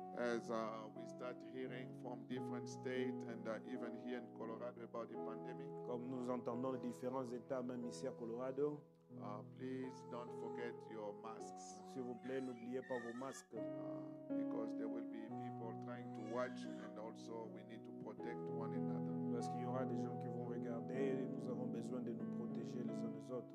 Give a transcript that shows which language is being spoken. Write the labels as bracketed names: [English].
[English] As we start hearing from different states and even here in Colorado about the pandemic. [French] Comme nous entendons les différents états même ici à Colorado. [English] Please don't forget your masks. [French] S'il vous plaît, n'oubliez pas vos masques. [English] Because there will be people trying to watch and also we need to protect one another. [French] Parce qu'il y aura des gens qui vont regarder et nous avons besoin de nous protéger les uns les autres.